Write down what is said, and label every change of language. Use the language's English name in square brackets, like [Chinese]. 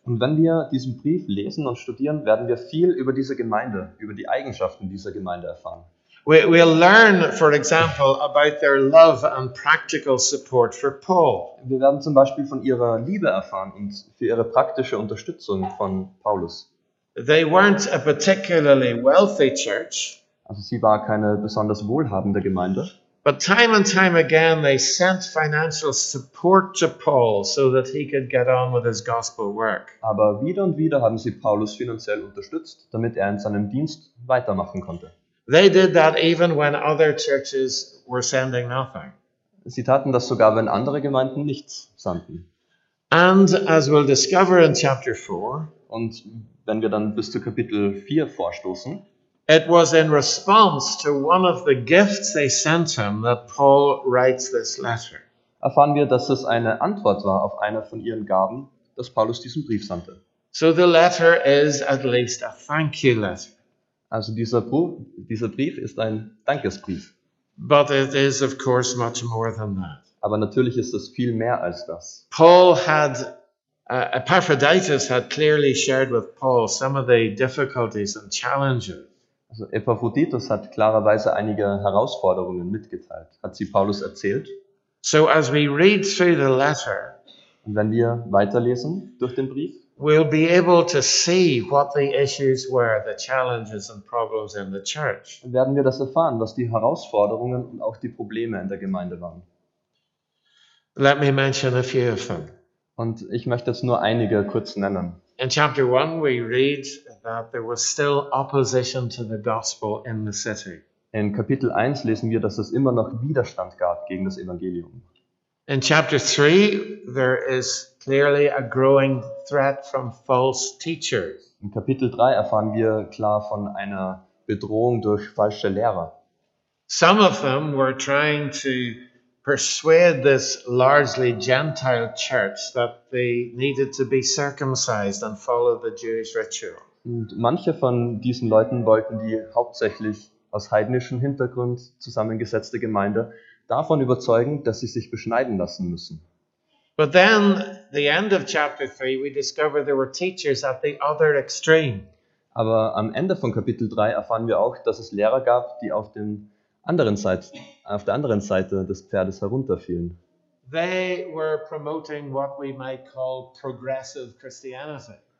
[German] Und wenn wir diesen Brief lesen und studieren, werden wir viel über diese Gemeinde, über die Eigenschaften dieser Gemeinde erfahren. [English] We'll learn, for example, about their love and practical support for Paul. [German] Wir werden zum Beispiel von ihrer Liebe erfahren und für ihre praktische Unterstützung von Paulus. [English] They weren't a particularly wealthy church. [German] Also sie war keine besonders wohlhabende Gemeinde. [English] But time and time again they sent financial support to Paul so that he could get on with his gospel work. [German] Aber wieder und wieder haben sie Paulus finanziell unterstützt, damit er in seinem Dienst weitermachen konnte. [English] They did that even when other churches were sending nothing. [German] Sie taten das sogar, wenn andere Gemeinden nichts sandten. [English] And as we'll discover in chapter 4, [German] und wenn wir dann bis zu Kapitel 4 vorstoßen, [English] it was in response to one of the gifts they sent him that Paul writes this letter. [German] Erfahren wir, dass es eine Antwort war auf eine von ihren Gaben, dass Paulus diesen Brief sandte. [English] So the letter is at least a thank you letter. [German] Also dieser Brief ist ein Dankesbrief. [English] But it is of course much more than that. [German] Aber natürlich ist es viel mehr als das. [English] Paul had Epaphroditus had clearly shared with Paul some of the difficulties and challenges. [German] Also Epaphroditus hat klarerweise einige Herausforderungen mitgeteilt, hat sie Paulus erzählt. [English] So as we read through the letter, [German] und wenn wir weiterlesen durch den Brief, [English] we'll be able to see what the issues were, the challenges and problems in the church. [German] Dann werden wir das erfahren, was die Herausforderungen und auch die Probleme in der Gemeinde waren. [English] Let me mention a few of them. [German] Und ich möchte jetzt nur einige kurz nennen. [English] In chapter 1 we read that there was still opposition to the gospel in the city. [German] In Kapitel 1 lesen wir, dass es immer noch Widerstand gab gegen das Evangelium. [English] In chapter 3 there is clearly a growing threat from false teachers. [German] In Kapitel 3 erfahren wir klar von einer Bedrohung durch falsche Lehrer. [English] Some of them were trying to persuade this largely Gentile church that they needed to be circumcised and follow the Jewish ritual. [German] Und manche von diesen Leuten wollten die hauptsächlich aus heidnischem Hintergrund zusammengesetzte Gemeinde davon überzeugen, dass sie sich beschneiden lassen müssen. [English] But then the end of chapter 3 we discover there were teachers at the other extreme. [German] Aber am Ende von Kapitel 3 erfahren wir auch, dass es Lehrer gab, die auf der anderen Seite des Pferdes herunterfielen. [English] They were promoting what we might call progressive Christianity.